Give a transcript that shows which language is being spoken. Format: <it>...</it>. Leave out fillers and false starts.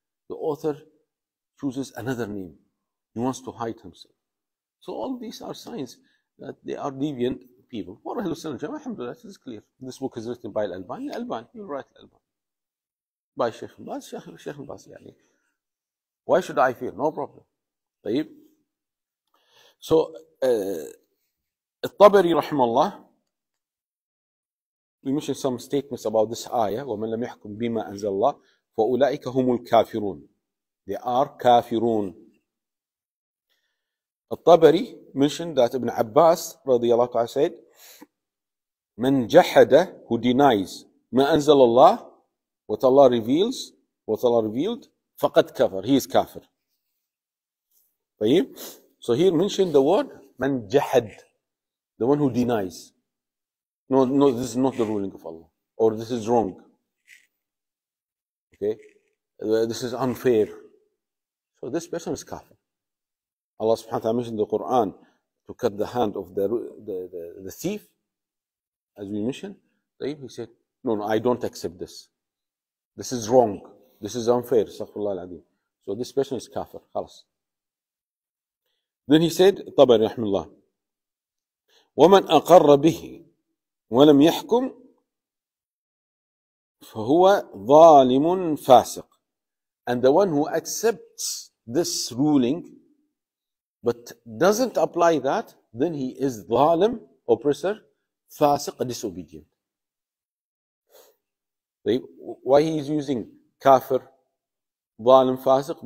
<en>The author chooses another name. He wants to hide himself. So all these are signs that they are deviant people. For Ahlul Sunnah al-Jama'ah, alhamdulillah, this is clear. This book is written by Al-Albani. Al-Albani, you write Al-Albani. By Sheikh Mbaz, Sheikh Mbaz, yani. Why should I fear? No problem.</en> <ar>طيب.</ar> <en>So,</en> <ar>الطبري رحمه الله,</ar> <en>we mentioned some statements about this ayah,</en> <ar>وَمَنْ لَمْ يَحْكُمْ بِمَا أَنْزَلَ اللَّهِ وأولئك هم الكافرون.</ar> <en>They are كافرون. الطبري mentioned that Ibn Abbas</en> <ar>رضي الله تعالى</ar> <en>said</en> <ar>من جحد</ar> <en>who denies</en> <ar>ما أنزل الله</ar> <en>what Allah reveals what Allah revealed</en> <ar>فقد كفر.</ar> <en>He is كافر.</en> <ar>طيب.</ar> <en>So here mentioned the word من جحد. The one who denies. No, this is not the ruling of Allah. Or this is wrong. Okay, this is unfair. So this person is kafir. Allah subhanahu wa ta'ala mentioned the Quran to cut the hand of the thief, as we mentioned. He said, no, I don't accept this. This is wrong. This is unfair. So this person is kafir.</en> <ar>خلاص.</ar> <en>Then he said,</en> <ar>طبعاً رحمه الله. ومن أقر به ولم يحكم فهو ظالم فاسق.</ar> <en>And the one who accepts this ruling but doesn't apply that, then he is ظالم, oppressor, فاسق, disobedient. Why he is using كافر, ظالم, فاسق?</en>